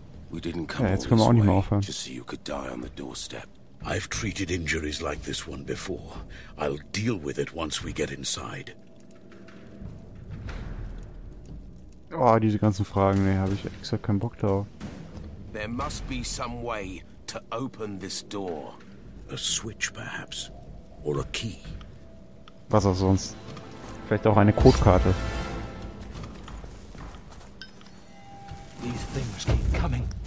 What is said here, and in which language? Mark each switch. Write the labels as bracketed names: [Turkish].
[English] We didn't come all this way to see you could die on the doorstep. I've treated injuries like this one before. I'll deal with it once we get inside. [German] Oh, diese ganzen Fragen, nee, habe ich extra keinen Bock drauf. [English] There must be some way to open this door. A switch perhaps or a key. [German] Was auch sonst? Vielleicht auch eine Codekarte. [English] These things keep coming.